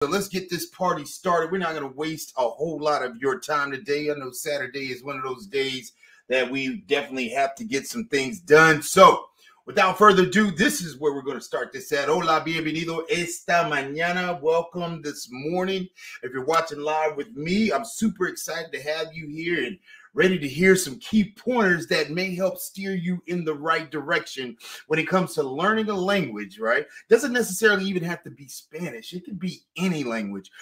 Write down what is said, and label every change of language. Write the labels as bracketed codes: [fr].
[en] So let's get this party started. We're not going to waste a whole lot of your time today. I know Saturday is one of those days that we definitely have to get some things done. So without further ado, this is where we're going to start this at. [es] Hola, bienvenido esta mañana. [en] Welcome this morning. If you're watching live with me, I'm super excited to have you here and ready to hear some key pointers that may help steer you in the right direction when it comes to learning a language, right? Doesn't necessarily even have to be Spanish. It could be any language.